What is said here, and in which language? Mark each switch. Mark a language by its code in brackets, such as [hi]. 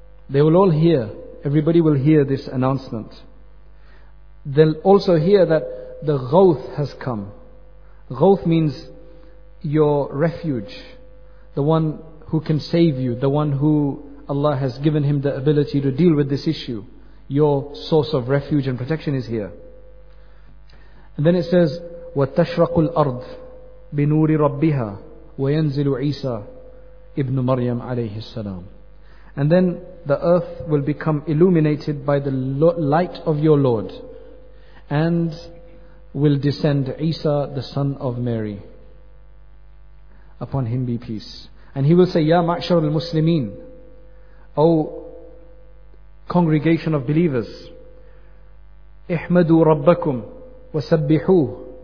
[en] They will all hear, everybody will hear this announcement. They'll also hear that the Ghawth has come. Ghawth means your refuge, the one who can save you, the one who Allah has given him the ability to deal with this issue. Your source of refuge and protection is here. And then it says, [ar] وتشرق الأرض بنور ربها وينزل عيسى ابن مريم عليه السلام. [en] And then the earth will become illuminated by the light of your Lord, and will descend Isa, the son of Mary. Upon him be peace. And he will say, [ar] Ya ma'ashar al-Muslimin, [en] O congregation of believers, [ar] احمدوا ربكم وسبحوه.